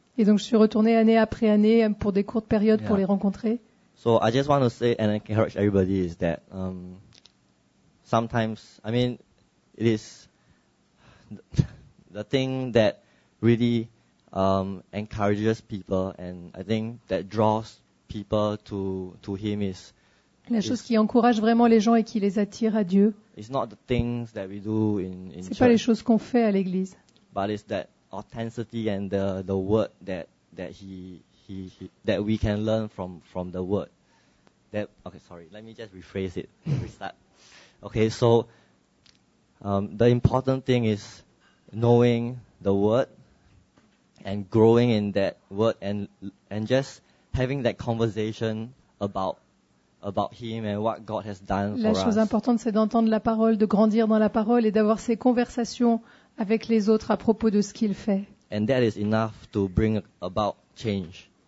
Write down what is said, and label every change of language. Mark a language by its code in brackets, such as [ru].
[fr] Et donc je suis retourné année après année pour des courtes périodes pour les rencontrer. [en] So I just want to say and encourage everybody is that sometimes, I mean, it is the thing that really encourages people and I think that draws people to him is [fr] la chose qui encourage vraiment les gens et qui les attire à Dieu. [en] It's not the things that we do in [fr] c'est pas les choses qu'on fait à l'église. [en] But it's that authenticity and the word that we can learn from the word. That okay, sorry, let me just rephrase it. Restart. Okay, so the important thing is knowing the word and growing in that word and just having that conversation about him and what God has done for us. [fr] La chose importante c'est d'entendre la parole, de grandir dans la parole et d'avoir ces conversations avec les autres à propos de ce qu'il fait. [en] And that is enough to bring about change.